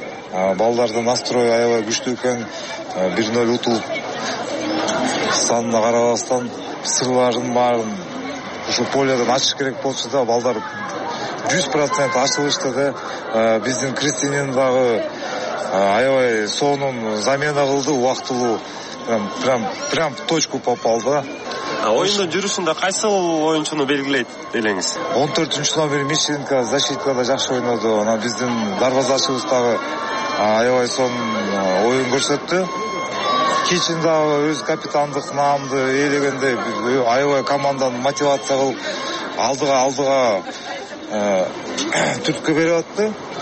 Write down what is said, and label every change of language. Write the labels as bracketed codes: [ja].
[ky] Балдардын настрою аябай күчтүү экен. 1-0 утулуп санына карабастан сырларын баарын ушул полядан ачыш керек болчу да, балдар 100% ачылышты да. Биздин Кристинин дагы аябай сонун замена кылды убактылуу. [ru] Прям в точку попал, да. [ky] Оюндун жүрүшүндө кайсыл оюнчуну белгилейт элеңиз? 14-чү номер Мишенко защитада жакшы ойноду. Анан биздин дарбазачыбыз дагы аябай сонун оюн көрсөттү. Кичин дагы өз капитандык наамды ээлегендей аябай команданы мотивация кылып алдыга түрткү берип атты.